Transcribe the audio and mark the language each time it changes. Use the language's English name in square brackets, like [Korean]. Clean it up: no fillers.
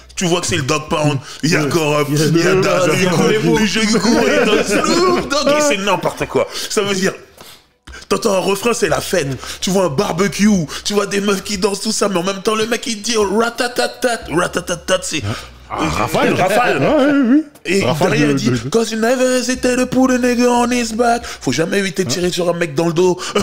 [French] Tu vois que c'est le Dog Pound. Il y a Corrupt. Il y a Daz. Il y a Dog, il sait n'importe quoi. Ça veut dire. T'entends un refrain, c'est la fête. Tu vois un barbecue, tu vois des meufs qui dansent, tout ça, mais en même temps, le mec, il dit ratatatat. Ratatatat, c'est... Rafale. Rafale. [English] Et derrière, il dit, cause you never hesitate to put a nigga on his back. [French] Faut jamais éviter de tirer sur un mec dans le dos.